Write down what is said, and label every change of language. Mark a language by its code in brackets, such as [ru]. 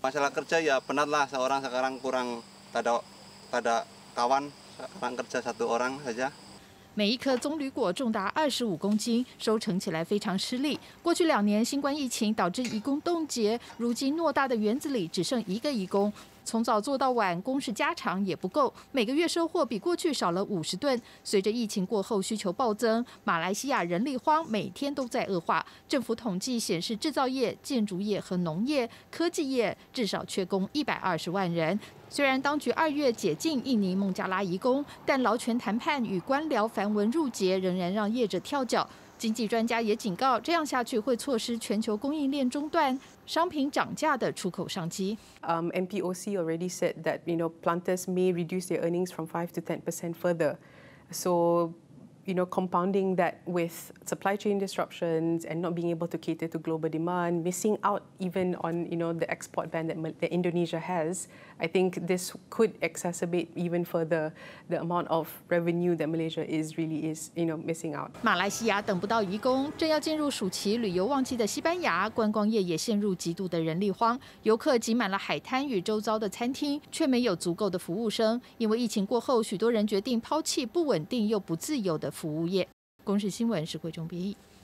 [ms] Masalah kerja ya penatlah, seorang sekarang kurang tak ada kawan. Orang kerja satu orang saja. [zh] 每一颗棕榈果重达25公斤，收成起来非常吃力。过去两年新冠疫情导致移工冻结，如今偌大的园子里只剩一个移工，从早做到晚，工时加长也不够，每个月收获比过去少了50吨。随着疫情过后需求暴增，马来西亚人力荒每天都在恶化。政府统计显示，制造业、建筑业和农业、科技业至少缺工120万人。虽然当局2月解禁印尼孟加拉移工，但劳权谈判与官僚繁文缛节仍然让业者跳脚。经济专家也警告，这样下去会错失全球供应链中断、商品涨价的出口商机。 [en] MPOC already said that you know planters may reduce their earnings from 5% to 10% further. So you know compounding that with supply chain disruptions and not being able to cater to global demand, missing out even on you know the export ban that Indonesia has, I think this could exacerbate even further the amount of revenue that Malaysia is you know missing out. [zh] 马来西亚等不到移工，正要进入暑期旅游旺季的西班牙观光业也陷入极度的人力荒，游客挤满了海滩与周遭的餐厅，却没有足够的服务生，因为疫情过后许多人决定抛弃不稳定又不自由的服务业。公视新闻是贵中编译。